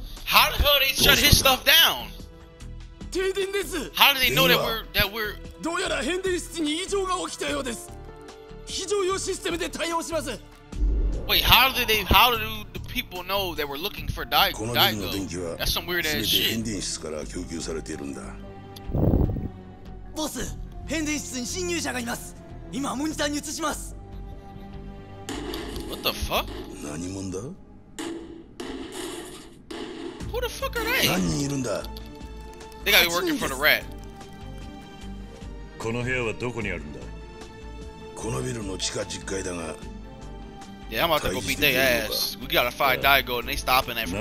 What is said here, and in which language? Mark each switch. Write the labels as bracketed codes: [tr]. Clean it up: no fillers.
[en] How the hell did he shut his stuff down? [ja] 停電です。 [en] How did they know that we're? [ja] どうやら変電室に異常が起きたようです。非常用システムで対応します。 [en] Wait, how do the people know that we're looking for Daigo? [ja] このビルの電気は全て変電室から供給されているんだ。ボス。変電室に侵入者がいます。今モニターに映します。 [en] What the fuck? [ja] 何者だ [en] ？Who the fuck are they? [ja] 何人いるんだ [en] ？They gotta be working for the rat. [ja] この部屋はどこにあるんだ？このビルの地下10階だが。 [en] Yeah, I'm about to go beat their ass. We gotta find Daigo, and they stopping that from happening.